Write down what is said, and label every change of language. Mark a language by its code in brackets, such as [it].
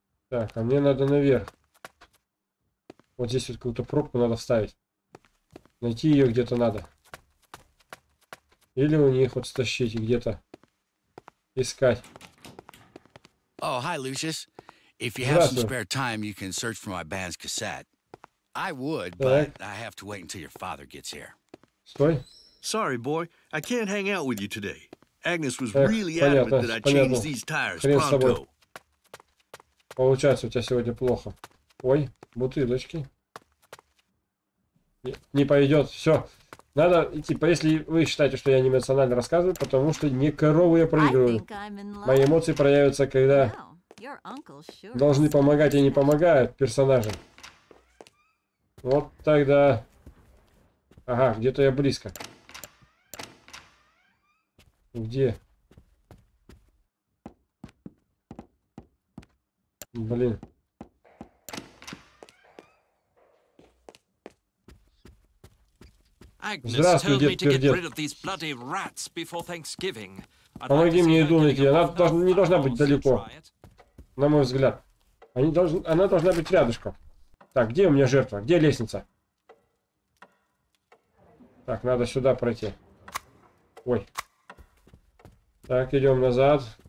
[ru] Так, а мне надо наверх. Вот здесь вот какую-то пробку надо вставить. Найти ее где-то надо. Или у них вот стащить где-то. Искать. [en] Oh, hi, Lucius. If you have some spare time, you can search for my band's cassette. I would, but I have to wait until your father gets here. [ru] Стой. [en] Sorry, boy. I can't hang out with you today. Agnes was really adamant that I change these tires pronto. [ru] Получается, у тебя сегодня плохо. Ой, бутылочки. Не пойдет. Все. Надо идти. Типа, если вы считаете, что я не эмоционально рассказываю, потому что не корову я проигрываю. Мои эмоции проявятся, когда должны помогать и не помогают персонажи. Вот тогда. Ага, где-то я близко. Где? Блин. [en] Агнес told me to get rid of these bloody rats before Thanksgiving. [ru] Помоги мне еду найти. Она не должна быть далеко. На мой взгляд. Она должна быть рядышком. Так, где у меня жертва? Где лестница? Так, надо сюда пройти. Ой. Так, идем назад.